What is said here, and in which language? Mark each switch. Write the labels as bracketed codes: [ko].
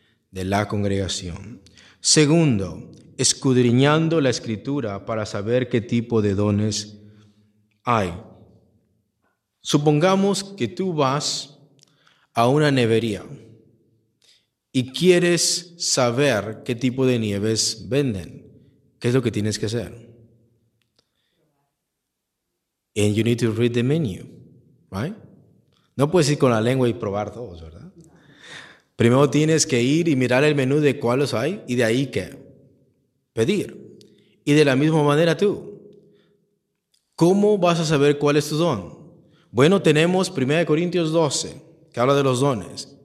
[es] De la congregación. Segundo, escudriñando la Escritura para saber qué tipo de dones hay. Supongamos que tú vas a una nevería y quieres saber qué tipo de nieves venden. ¿Qué es lo que tienes que hacer? [en] And you need to read the menu, right? [es] No puedes ir con la lengua y probar todos, ¿verdad? Primero tienes que ir y mirar el menú de cuáles hay y de ahí ¿qué? Pedir. Y de la misma manera tú. ¿Cómo vas a saber cuál es tu don? Bueno, tenemos 1 Corintios 12, que habla de los dones.